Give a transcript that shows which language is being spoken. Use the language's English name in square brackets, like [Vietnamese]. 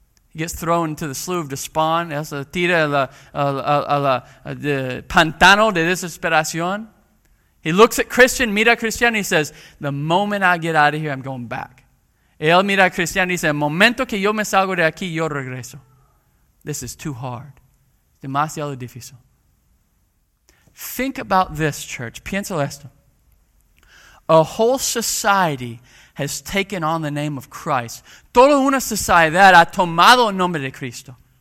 [English] He gets thrown into the slough of despond. [Spanish] Él se tira a la pantano de desesperación. [English] He looks at Christian, [Spanish] mira a Christian, [English] and he says, the moment I get out of here, I'm going back. [Spanish] Él mira a Christian y dice, el momento que yo me salgo de aquí, yo regreso. [English] This is too hard. [Spanish] Demasiado difícil. [English] Think about this, church. [Spanish] Piensa esto. [English] A whole society has taken on the name of Christ. [Spanish] Toda una sociedad ha tomado el nombre de Cristo.